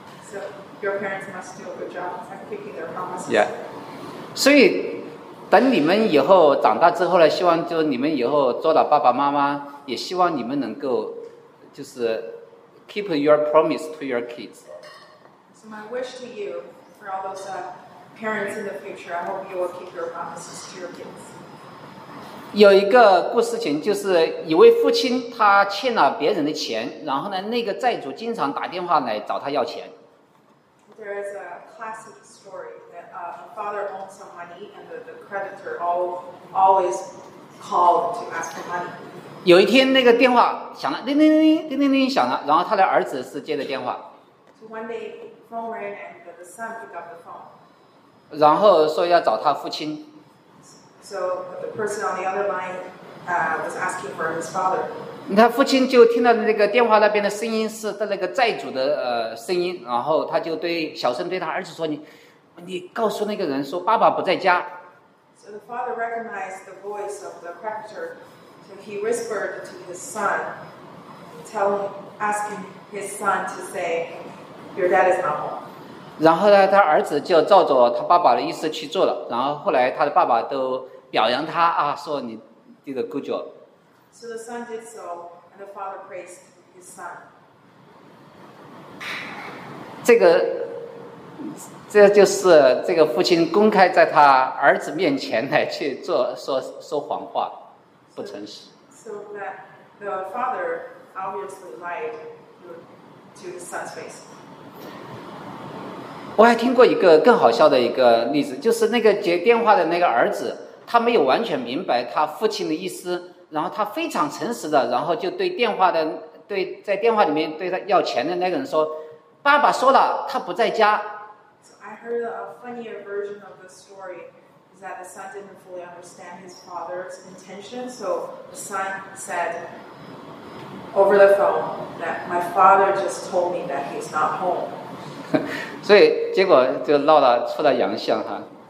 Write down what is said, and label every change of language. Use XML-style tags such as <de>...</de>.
<en>So your parents must do a good job at keeping their promises. Yeah.</en> <zh>所以等你们以后长大之后呢，希望就你们以后做了爸爸妈妈，也希望你们能够就是</zh> <en>keep your promise to your kids. So my wish to you, for all those parents in the future, I hope you will keep your promises to your kids.</en> <zh>有一个故事情，就是一位父亲他欠了别人的钱，然后呢，那个债主经常打电话来找他要钱。</zh> <en>There is a classic story that a father owns some money and the creditor always called to ask for money.</en> <zh>有一天那个电话响了，叮叮叮叮叮叮叮响了，然后他的儿子是接的电话。</zh> <en>So one day phone rang and the son picked up the phone.</en> <zh>然后说要找他父亲。</zh> <en>So the person on the other line was asking for his father.</en> <zh>他父亲就听到那个电话那边的声音是那个债主的声音，然后他就对小声对他儿子说：“你告诉那个人说爸爸不在家。”</zh> <en>So the father recognized the voice of the creditor, so he whispered to his son, asking his son to say, "Your dad is not home."</en> <zh>然后呢，他儿子就照着他爸爸的意思去做了。然后后来，他的爸爸都表扬他啊，说你</zh> <en>did a good job. So the son did so, and the father praised his son.</en> <zh>这就是这个父亲公开在他儿子面前来去做说谎话，不诚实。</zh> <en>So that the father obviously lied to his son's face.</en> <zh>我还听过一个更好笑的一个例子，就是那个接电话的那个儿子，他没有完全明白他父亲的意思，然后他非常诚实的，然后就对电话的对在电话里面对他要钱的那个人说：“爸爸说了，他不在家。”</zh> <en>So I heard a funnier version of the story is that the son didn't fully understand his father's intention, so the son said over the phone that my father just told me that he's not home.</en> <zh>所以结果就闹了出了洋相哈。</zh>